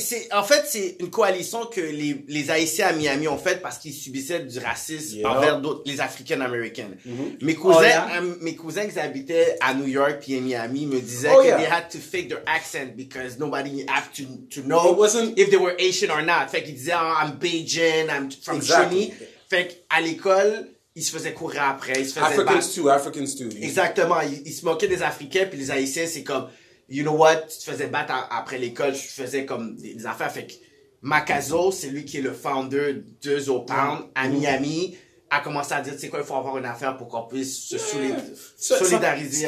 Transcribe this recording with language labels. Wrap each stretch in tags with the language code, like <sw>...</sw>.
<fr>c'est une coalition que les Haïtiens à Miami ont faite parce qu'ils subissaient du racisme envers d'autres, les African Americans. Mm-hmm. Mes cousins qui habitaient à New York puis à Miami me disaient que</fr> <en>they had to fake their accent because nobody had to know if they were Asian or not.</en> <fr>Fait qu'ils disaient, oh,</fr> <en>I'm Bajan, I'm from Trini.</en> <fr>Fait qu'à l'école, ils se faisaient courir après. Ils se faisaient</fr> <en>Africans too.</en> <fr>Exactement. Ils se moquaient des Africains puis les Haïtiens, c'est comme,</fr> <en>you know what,</en> <fr>tu te faisais battre après l'école, tu faisais comme des affaires. Fait que Makazo, c'est lui qui est le founder de Zo Pound à Miami, a commencé à dire, tu sais quoi, il faut avoir une affaire pour qu'on puisse se solidariser.</fr>